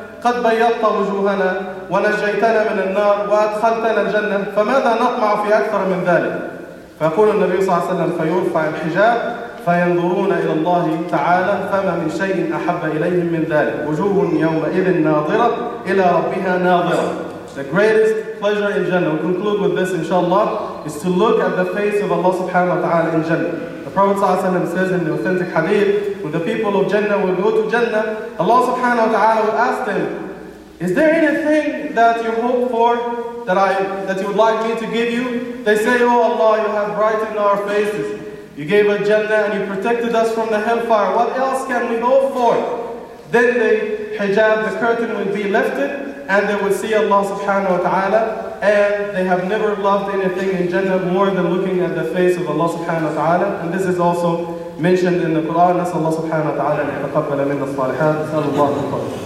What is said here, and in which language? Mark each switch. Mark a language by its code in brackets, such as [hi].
[ar] قد بيضت وجوهنا ونجيتنا من النار وأدخلتنا الجنة فماذا نطمع في أكثر من ذلك؟ فيقول النبي صلى الله عليه وسلم فيرفع الحجاب فينظرون إلى الله تعالى فما من شيء أحب إليهم من ذلك وجوه يومئذ ناظرة إلى ربها ناظرة. [en] The greatest pleasure in Jannah, we'll conclude with this inshallah, is to look at the face of Allah subhanahu wa ta'ala in Jannah. The Prophet says in the authentic hadith, when the people of Jannah will go to Jannah, Allah subhanahu wa ta'ala will ask them, is there anything that you hope for that you would like me to give you? They say, oh Allah, you have brightened our faces. You gave us Jannah and you protected us from the hellfire. What else can we hope for? Then the hijab, the curtain will be lifted, and they will see Allah subhanahu wa ta'ala, and they have never loved anything in Jannah more than looking at the face of Allah subhanahu wa ta'ala. And this is also mentioned in the Quran. [ar] نسأل الله سبحانه وتعالى أن يتقبل منا الصالحات. نسأل الله تقبل.